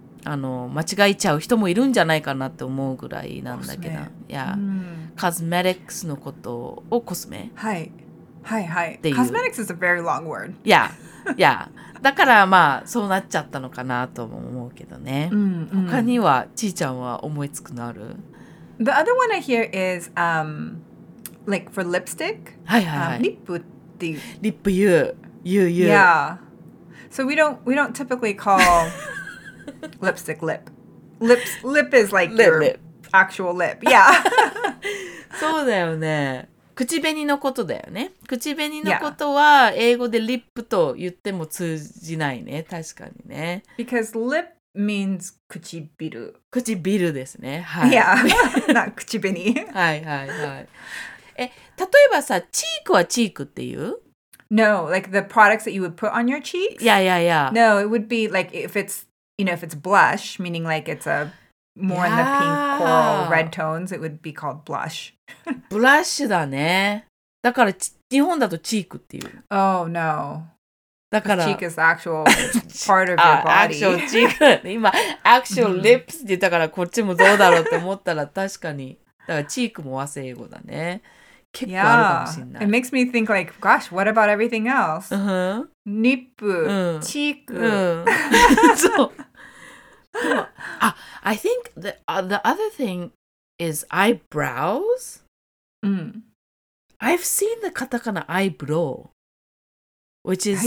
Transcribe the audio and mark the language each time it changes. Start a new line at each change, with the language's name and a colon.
Japanese: あの間違えちゃう人もいるんじゃないかなって思うぐらいなんだけど、いや、コスメティックスのことをコスメ、
English: はい、はいはいはい、コスメティックス is a very long word、
Japanese: いやいや、だからまあそうなっちゃったのかなとも思うけどね。うん、他にはちーちゃんは思いつくのある
English: ？The other one I hear is like for lipstick、
Japanese: はいはいはい、リップっていう、リップ言う、言う言う、
English: yeah、so we don't typically call lipstick lip. Lips, lip is like lip, your lip. Actual lip. Yeah.
Japanese: そうだよね。口紅のことだよね。口紅のことは英語でリップと言っても通じないね。確かにね。
English: Because lip means 唇。
Japanese: 唇ですね。はい。
English: Yeah. Not 口紅。
Japanese: はいはいはい。え、例えばさ、チークはチークっていう？
English: No, like the products that you would put on your cheeks? Yeah, yeah, yeah. No, it would be like if it'sYou know, if it's blush, meaning like it's a more、yeah. in the pink, coral, red tones, it would be called blush.
Japanese: Blush だね。だから日本だとチークっていう。
English: Oh, no.
Japanese: だから
English: cheek is actual part of your body. Actual cheek.
Japanese: 今
English: actual lips
Japanese: って言ったからこっちもどうだろうって思ったら確かに。だからチークも和製英語だね。結構あるかもしれない。
English: Yeah. It makes me think like, gosh, what about everything else?、 Uh-huh.
Japanese: ニップ、うん、チーク、うん、そう。
English: あ、I think the other thing is eyebrows.
Japanese: うん。
English: I've seen the katakana eyebrow, which is